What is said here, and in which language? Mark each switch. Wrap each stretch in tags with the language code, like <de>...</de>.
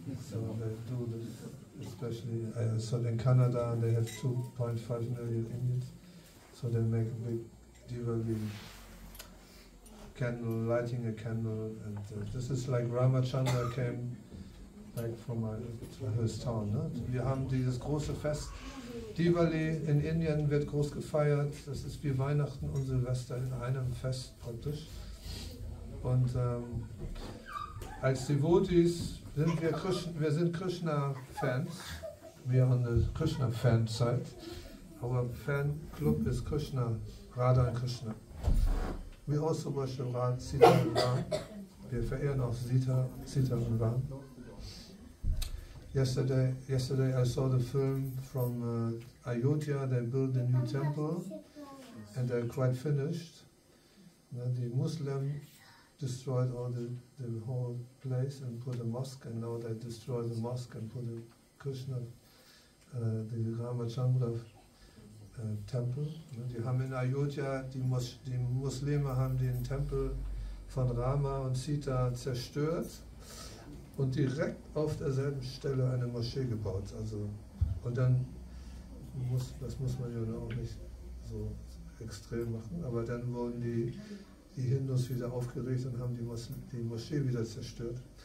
<en>So they do this, especially so in Canada, they have 2.5 million Indians, so they make a big Diwali candle, lighting a candle, and this is like Ramachandra came back from his town.</en> <de>Ne? Wir haben dieses große Fest. Diwali in Indien wird groß gefeiert. Das ist wie Weihnachten und Silvester in einem Fest praktisch. Und als Devotees sind wir Krishna, wir sind Krishna-Fans. Wir haben eine Krishna-Fan-Zeit.</de> <en>Our</en> <de>Fan-Club ist Krishna, Radha Krishna.</de> <en>We also worship Sita und Ram.</en> <de>Wir verehren auch Sita und Ram.</de> <en>Yesterday I saw the film from Ayodhya. They built a new temple and they're quite finished. Then the Muslim destroyed all the whole place and put a mosque, and now they destroy the mosque and put a Krishna, the Ramachandra Tempel.</en> <de>Die haben in Ayodhya, die Muslime haben den Tempel von Rama und Sita zerstört und direkt auf derselben Stelle eine Moschee gebaut. Also, und dann, das muss man ja auch nicht so extrem machen, aber dann wurden die Hindus wieder aufgeregt und haben die Moschee wieder zerstört.</de>